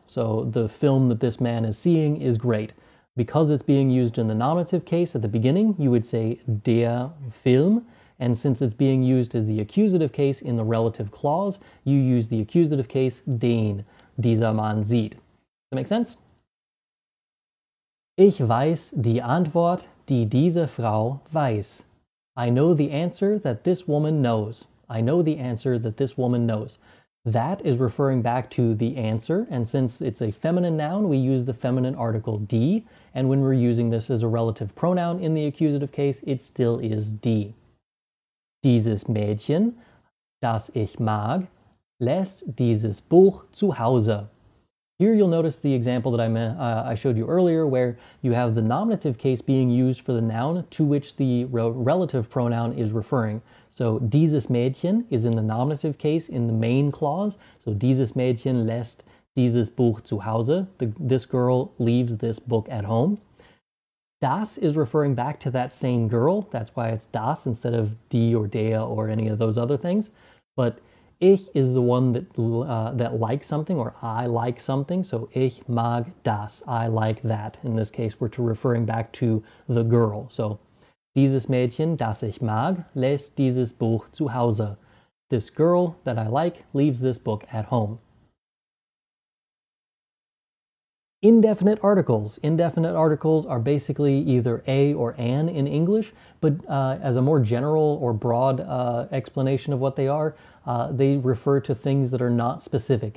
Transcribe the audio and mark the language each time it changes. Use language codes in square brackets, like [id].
[en] So the film that this man is seeing is great. Because it's being used in the nominative case at the beginning, you would say der Film. And since it's being used as the accusative case in the relative clause, you use the accusative case, [de] den, dieser Mann sieht. [en] Does that make sense? [de] Ich weiß die Antwort, die diese Frau weiß. [en] I know the answer that this woman knows. I know the answer that this woman knows. That is referring back to the answer, and since it's a feminine noun, we use the feminine article die, and when we're using this as a relative pronoun in the accusative case, it still is die. [de] Dieses Mädchen, das ich mag, lässt dieses Buch zu Hause. [en] Here you'll notice the example that I showed you earlier, where you have the nominative case being used for the noun to which the relative pronoun is referring. So dieses Mädchen is in the nominative case in the main clause. [de] So dieses Mädchen lässt dieses Buch zu Hause. [en] This girl leaves this book at home. Das is referring back to that same girl. That's why it's das instead of die or der or any of those other things. But ich is the one that that likes something, or I like something. So [de] ich mag das. [en] I like that. In this case, we're referring back to the girl. [de] So dieses Mädchen, das ich mag, lässt dieses Buch zu Hause. [en] This girl that I like leaves this book at home. Indefinite articles. Indefinite articles are basically either a or an in English, but as a more general or broad explanation of what they are, they refer to things that are not specific.